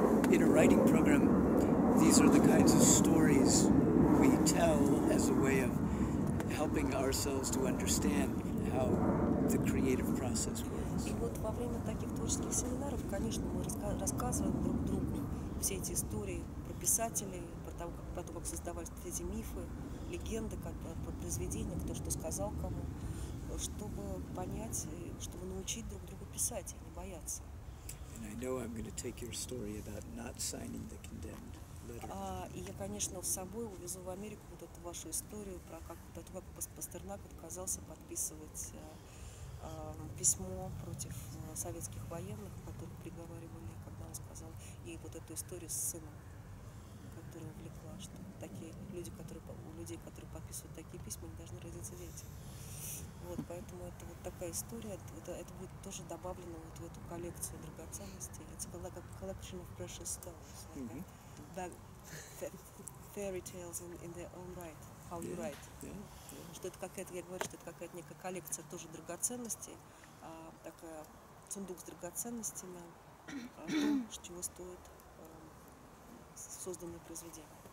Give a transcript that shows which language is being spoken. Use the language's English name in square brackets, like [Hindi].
[English] In a writing program, these are the kinds of stories we tell as a way of helping our ourselves to understand how the creative process works. [Russian] И вот во время таких творческих семинаров, конечно, мы рассказываем друг другу все эти истории про писателей, про то, как создавались эти мифы, легенды, про произведения, кто что сказал кому, чтобы понять, чтобы научить друг друга писать, а не бояться. [English] And I know I'm going to take your story about not signing the condemned letter. [Russian] И я, конечно, с собой увезу в Америку вот эту вашу историю про то, как Пастернак отказался подписывать письмо против советских военных, которых приговаривали, когда он сказал, и вот эту историю с сыном, которая увлекла, что такие люди, которые у людей, которые подписывают такие письма, не должны родиться дети. Вот, поэтому это вот такая история, это будет тоже добавлено вот в эту коллекцию драгоценностей. [English] It's like a collection of precious stones, fairy tales in their own right, how you write. [Russian] Что это какая-то, я говорю, что это какая-то некая коллекция тоже драгоценностей, такая сундук с драгоценностями, с чего стоит созданное произведение.